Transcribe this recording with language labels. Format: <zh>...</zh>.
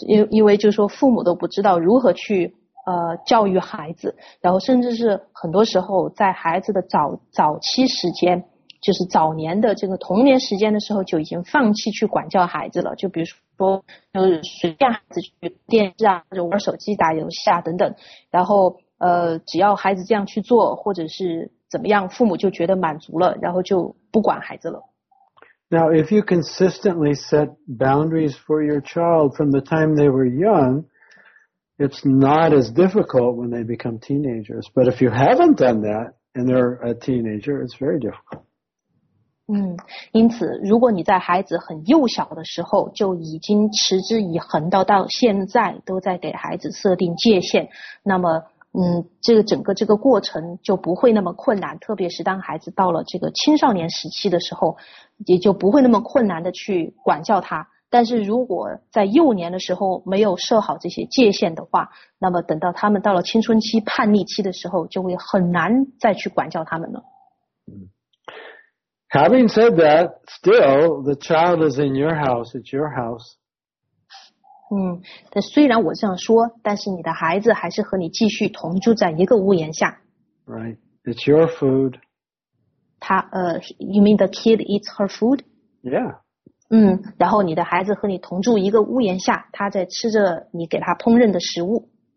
<zh>因为就是说父母都不知道如何去教育孩子，然后甚至是很多时候在孩子的早期时间，就是早年的这个童年时间的时候，就已经放弃去管教孩子了。就比如说就随便孩子去电视啊，或者玩手机打游戏啊等等，然后只要孩子这样去做或者是怎么样，父母就觉得满足了，然后就不管孩子了。</zh> <en>Now, if you consistently set boundaries for your child from the time they were young, it's not as difficult when they become teenagers. But if you haven't done that and they're a teenager, it's very difficult.</en> <zh>因此如果你在孩子很幼小的时候就已经持之以恒到现在都在给孩子设定界限，那么这个整个这个过程就不会那么困难，特别是当孩子到了这个青少年时期的时候，也就不会那么困难的去管教他。但是如果在幼年的时候没有设好这些界限的话，那么等到他们到了青春期叛逆期的时候，就会很难再去管教他们了。</zh> <en>Having said that, still, the child is in your house, it's your house.</en> <zh>但虽然我这样说，但是你的孩子还是和你继续同住在一个屋檐下。</zh> <en>Right, it's your food. 他you mean the kid eats her food? Yeah.</en> <zh>然后你的孩子和你同住一个屋檐下，他在吃着你给他烹饪的食物。</zh>